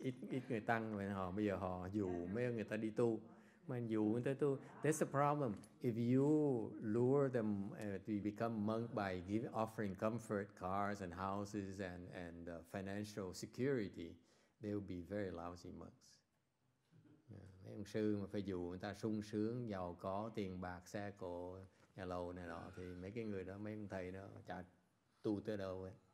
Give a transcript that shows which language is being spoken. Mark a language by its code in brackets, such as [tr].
[vi] Ít người tăng, mà họ bây giờ họ dụ mấy người ta đi tu. [en] That's the problem. If you lure them to become monk by offering comfort, cars and houses and financial security, they will be very lousy monks. Yeah. [vi] Mấy ông sư mà phải dụ người ta sung sướng, giàu có, tiền bạc, xe cộ, nhà lầu này nọ, thì mấy cái người đó, mấy ông thầy đó, chả tu tới đâu ấy.